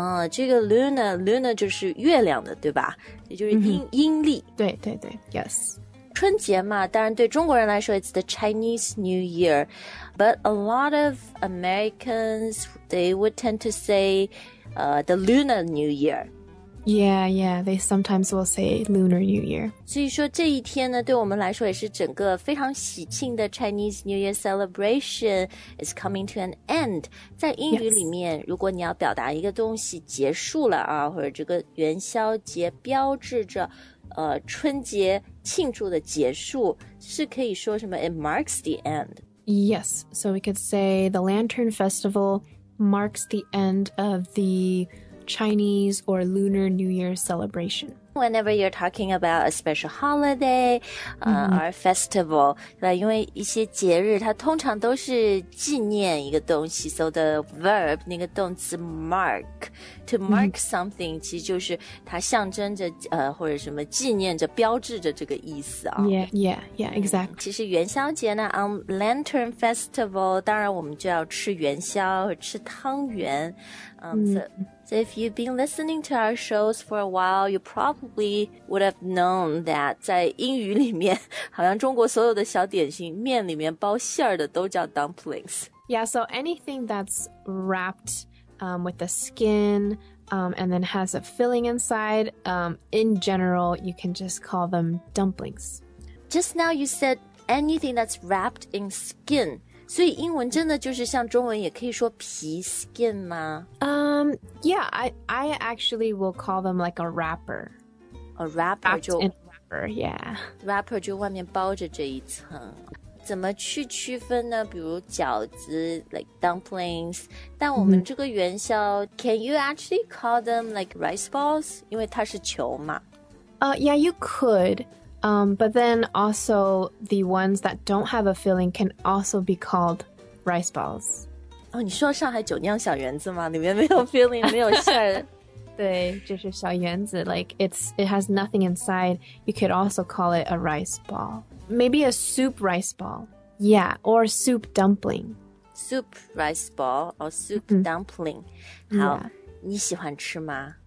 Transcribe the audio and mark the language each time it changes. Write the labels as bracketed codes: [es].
[zh] 这个 luna 就是月亮的，对吧？也就是阴、mm-hmm. 阴历。对对对 ，yes. 春节嘛，当然对中国人来说 [en] it's the Chinese New Year, but a lot of Americans, they would tend to say、the Lunar New Year. Yeah, yeah, they sometimes will say Lunar New Year. [zh] 所以说这一天呢，对我们来说也是整个非常喜庆的 [en] Chinese New Year celebration is coming to an end. [zh] 在英语里面、 [en] yes. [zh] 如果你要表达一个东西结束了啊，或者这个元宵节标志着春节庆祝的结束是可以说什么 [en] It marks the end. Yes, so we could say the Lantern Festival marks the end of the Chinese or Lunar New Year celebration. Whenever you're talking about a special holiday、mm-hmm. [zh] or festival, 因为一些节日它通常都是纪念一个东西 [en] so the verb, [zh] 那个动词 mark, to mark something、mm-hmm. 其实就是它象征着、或者什么纪念着标志着这个意思、哦、 [en] Yeah, yeah, yeah, exactly. [zh] 其实元宵节呢 [en] on Lantern Festival, [zh] 当然我们就要吃元宵吃汤圆、 [en] So if you've been listening to our shows for a while, you probably would have known that [zh] 在英语里面好像中国所有的小点心面里面包馅儿的都叫 dumplings. [en] Yeah, so anything that's wrapped、with the skin、and then has a filling inside,、in general, you can just call them dumplings. Just now you said anything that's wrapped in skin. [zh] 所以英文真的就是像中文也可以说皮 skin 吗 [en] Yeah, I actually will call them like a wrapper. A wrapper 就 wrapper, yeah. [zh] Wrapper 就外面包着这一层。怎么去区分呢比如饺子 [en] like dumplings. [zh] 但我们这个元宵、mm-hmm. [en] can you actually call them like rice balls? [zh] 因为它是球嘛。 [en] Yeah, you could. But then also the ones that don't have a filling can also be called rice balls. [zh] Oh, 你说上海酒酿小圆子吗里面没有 filling, 没有馅儿。对就是小圆子 [en] like it has nothing inside. You could also call it a rice ball. Maybe a soup rice ball. Yeah, or soup dumpling. Soup rice ball or soup dumpling. [zh] 好、yeah. 你喜欢吃吗